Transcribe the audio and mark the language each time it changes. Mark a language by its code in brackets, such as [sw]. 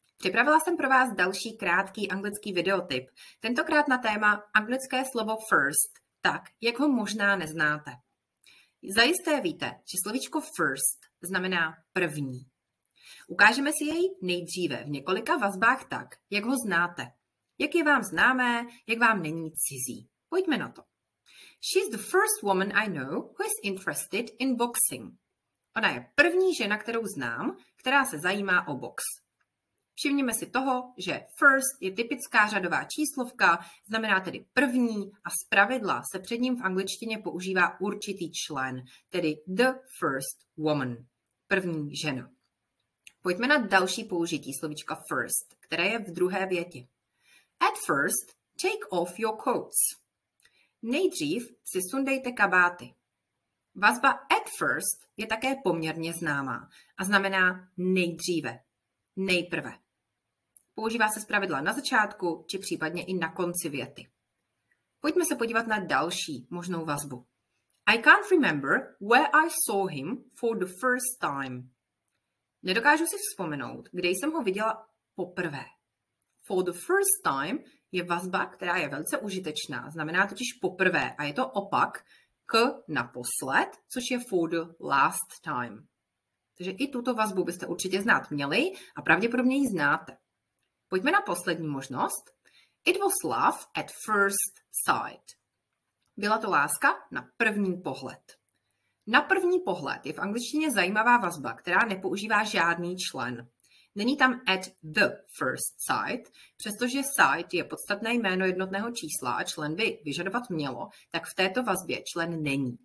[cs] Připravila jsem pro vás další krátký anglický videotip, tentokrát na téma anglické slovo first, tak, jak ho možná neznáte. Zajisté víte, že slovíčko first znamená první. Ukážeme si jej nejdříve v několika vazbách tak, jak ho znáte. Jak je vám známé, jak vám není cizí. Pojďme na to. [en] She's the first woman I know who is interested in boxing. [cs] Ona je první žena, kterou znám, která se zajímá o box. Všimněme si toho, že first je typická řadová číslovka, znamená tedy první a zpravidla se před ním v angličtině používá určitý člen, tedy [en] the first woman, [cs] první žena. Pojďme na další použití slovíčka first, které je v druhé větě. [en] At first, take off your coats. [cs] Nejdřív si sundejte kabáty. Vazba [en] at first [cs] je také poměrně známá a znamená nejdříve, nejprve. Používá se zpravidla na začátku či případně i na konci věty. Pojďme se podívat na další možnou vazbu. [en] I can't remember where I saw him for the first time. [cs] Nedokážu si vzpomenout, kde jsem ho viděla poprvé. [en] For the first time [cs] je vazba, která je velice užitečná, znamená totiž poprvé a je to opak k naposled, což je [en] for the last time. [cs] Takže i tuto vazbu byste určitě znát měli a pravděpodobně ji znáte. Pojďme na poslední možnost. [en] It was love at first sight. [cs] Byla to láska na první pohled. Na první pohled je v angličtině zajímavá vazba, která nepoužívá žádný člen. Není tam [en] at the first sight, [cs] přestože sight je podstatné jméno jednotného čísla a člen by vyžadovat mělo, tak v této vazbě člen není.